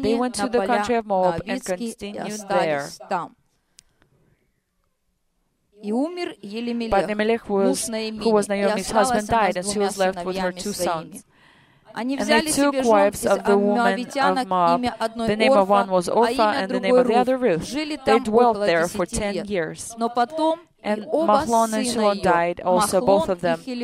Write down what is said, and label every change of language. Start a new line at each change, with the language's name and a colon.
English: They went to the country of Moab and continued there.
Russian: И умер Елимелех.
English: But Elimelech, who was Naomi's husband, died, and she was left with her two sons.
Russian: Они взяли себе жен из Моавитянок, имя одной Орфа, а имя другой Рут. Жили там около 10 лет.
English: They dwelt there for 10 years.
Russian: Но потом
English: and Mahlon and Chilion died also, both of them.